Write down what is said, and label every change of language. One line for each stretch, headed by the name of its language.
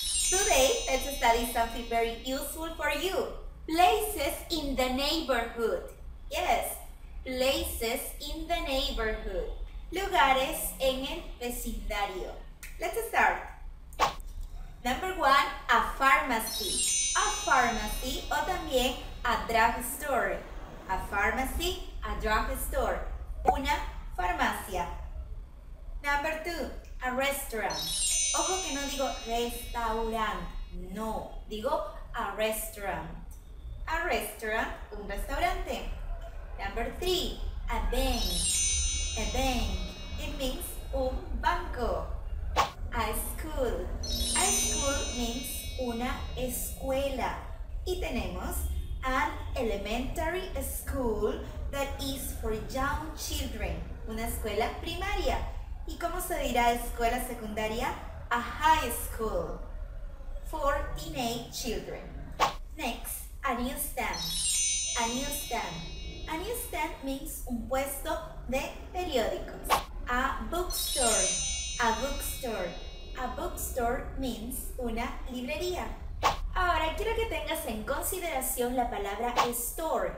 English: Today, let's study something very useful for you. Places in the neighborhood. Yes, places in the neighborhood.
Spanish: Lugares en el vecindario.
English: Let's start. Number one, a pharmacy. A pharmacy o también a drugstore. A pharmacy, a drugstore.
Spanish: Una farmacia.
English: Number two, a restaurant.
Spanish: Ojo que no digo
English: restaurant.
Spanish: No, digo a restaurant.
English: A restaurant,
Spanish: un restaurante.
English: Number three, a bank. A bank, it means
Spanish: un banco.
English: A school. A school means
Spanish: una escuela. Y tenemos
English: an elementary school that is for young children.
Spanish: Una escuela primaria. ¿Y cómo se dirá escuela secundaria?
English: A high school for teenage children. Next, a newsstand. A newsstand. A newsstand means
Spanish: un puesto de periódicos.
English: A bookstore. A bookstore. A bookstore means
Spanish: una librería. Ahora quiero que tengas en consideración la palabra store.